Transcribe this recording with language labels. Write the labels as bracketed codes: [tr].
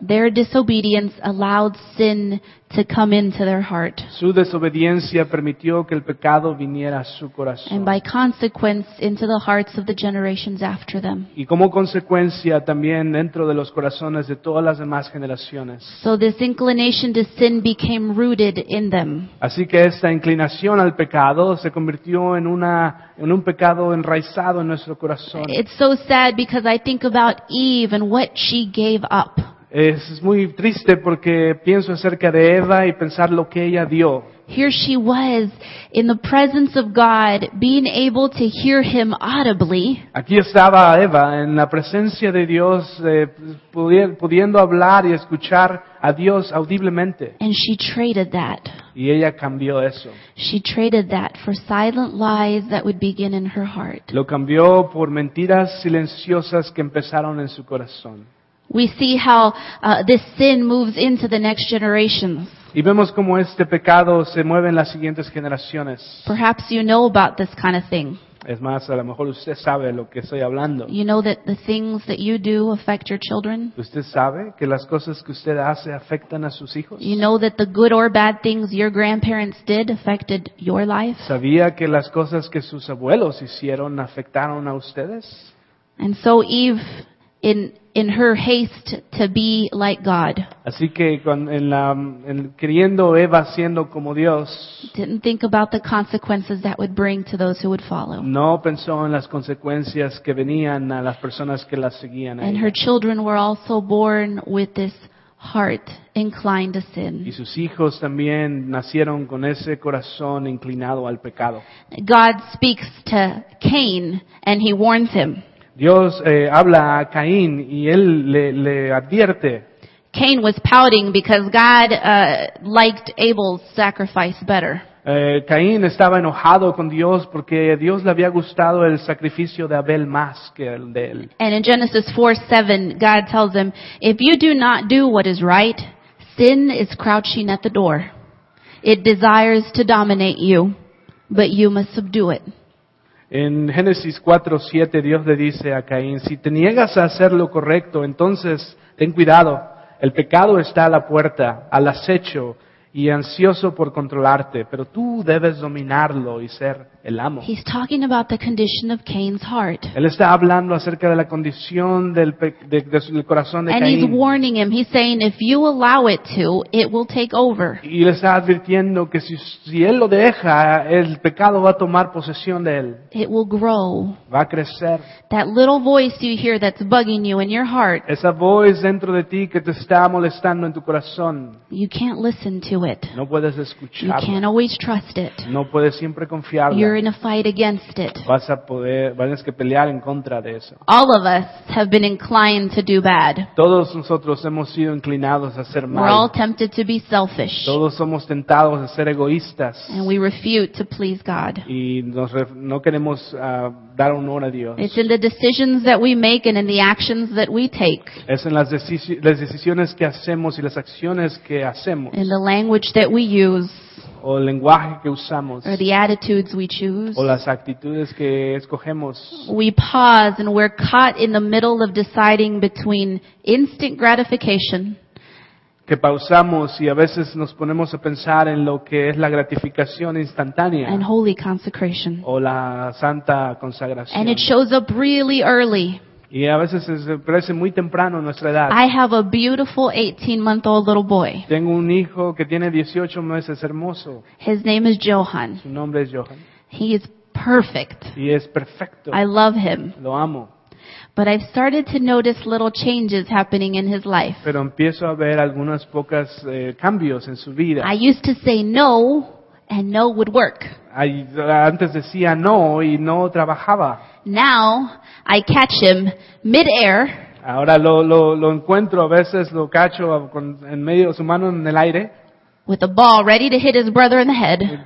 [en] Their disobedience allowed sin to come into their heart. [es] Su desobediencia permitió que el pecado viniera a su corazón. [en] And by consequence, into the hearts of the generations after them. [es] Y como consecuencia también dentro de los corazones de todas las demás generaciones. [en] So this inclination to sin became rooted in them. [es] Así que esta inclinación al pecado se convirtió en un pecado enraizado en nuestro corazón. [en] It's so sad because I think about Eve and what she gave up. [es] Es muy triste porque pienso acerca de Eva y pensar lo que ella dio. [en] Here she was in the presence of God, being able to hear Him audibly. [es] Aquí estaba Eva en la presencia de Dios, pudiendo hablar y escuchar a Dios audiblemente. [en] And she traded that. [es] Y ella cambió eso. [en] She traded that for silent lies that would begin in her heart. [es] Lo cambió por mentiras silenciosas que empezaron en su corazón. [en] We see how this sin moves into the next generations. [es] Y vemos cómo este pecado se mueve en las siguientes generaciones. [en] Perhaps you know about this kind of thing. [es] Es más, a lo mejor usted sabe lo que estoy hablando. [en] You know that the things that you do affect your children. [es] ¿Usted sabe que las cosas que usted hace afectan a sus hijos? [en] You know that the good or bad things your grandparents did affected your life. [es] ¿Sabía que las cosas que sus abuelos hicieron afectaron a ustedes? [en] And so Eve, in her haste to be like God, [es] así que queriendo Eva siendo como Dios, [en] didn't think about the consequences that would bring to those who would follow. [es] No pensó en las consecuencias que venían a las personas que las seguían. [en] And her children were also born with this heart inclined to sin. [es] Y sus hijos también nacieron con ese corazón inclinado al pecado. [en] God speaks to Cain and he warns him. [es] Dios habla a Caín y él le advierte. [en] Cain was pouting because God liked Abel's sacrifice better. [es] Caín estaba enojado con Dios porque Dios le había gustado el sacrificio de Abel más que el de él. [en] And in Genesis 4:7, God tells him, "If you do not do what is right, sin is crouching at the door. It desires to dominate you, but you must subdue it." [es] En Génesis 4:7 Dios le dice a Caín, si te niegas a hacer lo correcto, entonces ten cuidado, el pecado está a la puerta, al acecho y ansioso por controlarte, pero tú debes dominarlo y ser el amo. [en] He's talking about the condition of Cain's heart. [es] Él está hablando acerca de la condición del corazón de [en] Caín. And he's warning him. He's saying, if you allow it to, it will take over. [es] Y le está advirtiendo que si él lo deja, el pecado va a tomar posesión de él. [en] It will grow. [es] Va a crecer. [en] That little voice you hear that's bugging you in your heart. [es] Esa voz dentro de ti que te está molestando en tu corazón. [en] You can't listen to it. [es] No puedes escucharlo. [en] You can't always trust it. [es] No puedes siempre confiar. [en] You're in a fight against it. [es] Vas que pelear en contra de eso. [en] All of us have been inclined to do bad. [es] Todos nosotros hemos sido inclinados a hacer mal. [en] We're all tempted to be selfish. [es] Todos somos tentados a ser egoístas. [en] And we refute to please God. [es] Y no queremos dar honor a Dios. [en] It's in the decisions that we make and in the actions that we take. [es] Es en las decisiones que hacemos y las acciones que hacemos. [en] In the language that we use. [es] O el lenguaje que usamos. [en] Or the attitudes we choose. [es] O las actitudes que escogemos. [en] We pause and we're caught in the middle of deciding between instant gratification. [es] Que pausamos y a veces nos ponemos a pensar en lo que es la gratificación instantánea. [en] And holy consecration. [es] O la santa consagración. [en] And it shows up really early. [es] Y a veces se parece muy temprano en nuestra edad. [en] I have a beautiful 18-month-old little boy. [es] Tengo un hijo que tiene 18 meses, hermoso. [en] His name is Johan. [es] Su nombre es Johan. [en] He is perfect. [es] Y es perfecto. [en] I love him. [es] Lo amo. [en] But I've started to notice little changes happening in his life. [es] Pero empiezo a ver algunas pocas cambios en su vida. [en] I used to say no, and no would work. [es] Antes decía no y no trabajaba. [en] Now I catch him mid-air. [es] Ahora lo encuentro a veces, lo cacho en medio de su mano en el aire. [en] With a ball ready to hit his brother in the head.